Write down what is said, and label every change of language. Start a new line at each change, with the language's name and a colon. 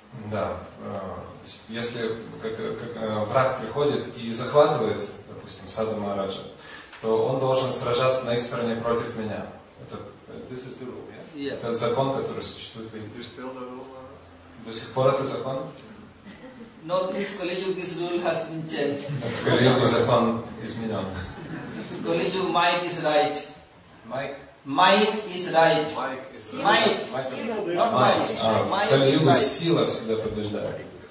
Russian: Да, если враг приходит и захватывает, допустим, Саду Махараджа, то он должен сражаться на их стороне против меня.
English: This is the rule. Yes.
Russian: Это закон, который существует в Индии. До сих пор это закон?
English: No, this Kali-yuga, this rule has been changed.
Russian: В Кали-юге закон изменен.
English: Kali-yuga might is right. Might is right.
Russian: В Кали-юге сила всегда побеждает.